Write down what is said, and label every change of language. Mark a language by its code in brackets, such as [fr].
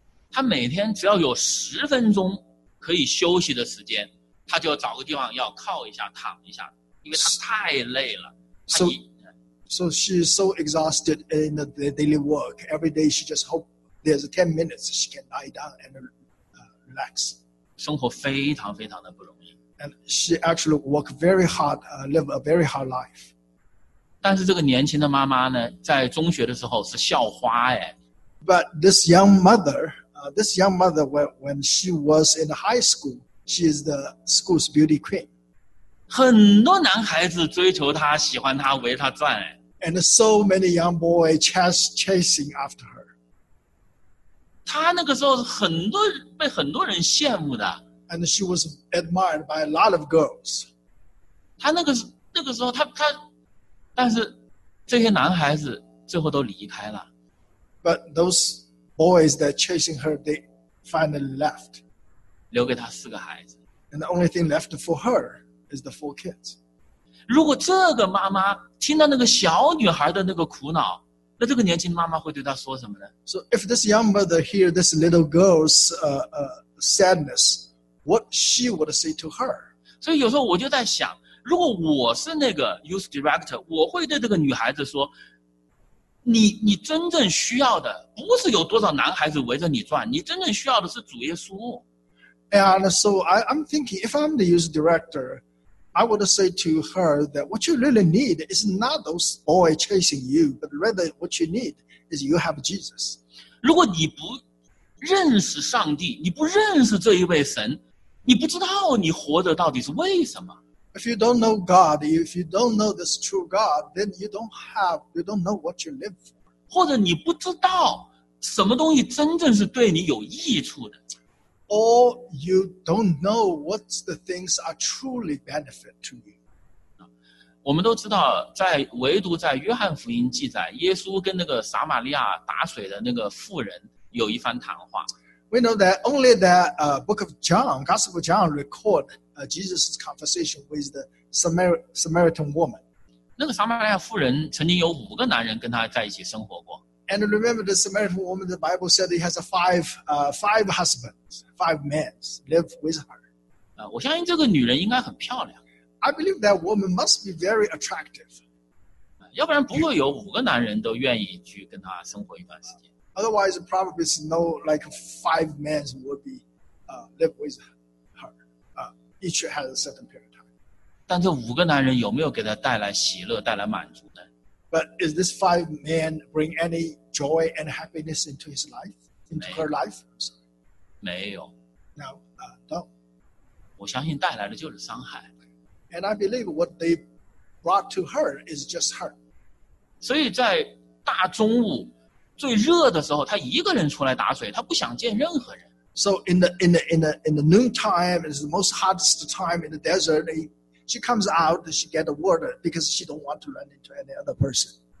[zh] 她每天只要有十分钟可以休息的时间，她就要找个地方要靠一下、躺一下，因为她太累了。 [en] So she's so exhausted in the daily work. Every day she just hope there's 10 minutes she can lie down and relax. [zh] 生活非常非常的不容易。 [en] And she actually worked very hard, live a very hard life. [zh] 但是这个年轻的妈妈呢，在中学的时候是校花哎。 [en] But this young mother, when she was in high school, she is the school's beauty queen. [zh] 很多男孩子追求她，喜欢她，围她转哎。 [en] And so many young boys chasing after her. [zh] 她那个时候很多被很多人羡慕的。 [en] And she was admired by a lot of girls. [zh] 她那个时候她但是这些男孩子最后都离开了。 [en] But those boys that chasing her, they finally left. [zh] 留给她四个孩子。 [en] And the only thing left for her is the four kids. [zh] 如果这个妈妈听到那个小女孩的那个苦恼，那这个年轻妈妈会对她说什么呢？ [en] So if this young mother hear this little girl's sadness, what she would say to her? [zh] 所以有时候我就在想，如果我是那个 youth director, 我会对这个女孩子说，你真正需要的不是有多少男孩子围着你转，你真正需要的是主耶稣。 [en] And so I'm thinking, if I'm the youth director, I would say to her that what you really need is not those boys chasing you, but rather what you need is you have Jesus. [zh] 如果你不认识上帝，你不认识这一位神，你不知道你活着到底是为什么。 [en] If you don't know God, if you don't know this true God, then you don't know what you live for. [zh] 或者你不知道什么东西真正是对你有益处的。 [en] Or you don't know what the things are truly benefit to you. [zh] 我们都知道，在唯独在约翰福音记载，耶稣跟那个撒玛利亚打水的那个妇人有一番谈话。 [en] We know that only that book of John, Gospel of John record Jesus' conversation with the Samaritan woman. [zh] 那个撒玛利亚妇人曾经有五个男人跟她在一起生活过。 [en] And remember the Samaritan woman, the Bible said he has five husbands, five men live with her. [zh] 我相信这个女人应该很漂亮。 [en] I believe that woman must be very attractive. [zh] 要不然不会有五个男人都愿意去跟她生活一段时间。 [en] Otherwise, probably no, like five men would be live with her. Each has a certain period of time. [zh] 但这五个男人有没有给他带来喜乐，带来满足呢？ [en] But is this five men bring any joy and happiness into his life, into her life? [zh] 没有。 [en] No, no. [zh] 我相信带来的就是伤害。 [en] And I believe what they brought to her is just hurt. [zh] 所以在大中午最热的时候，他一个人出来打水，他不想见任何人。 [en] So in the noon time, it's the most hottest time in the desert. She comes out, she get the water because she don't want to run into any other person.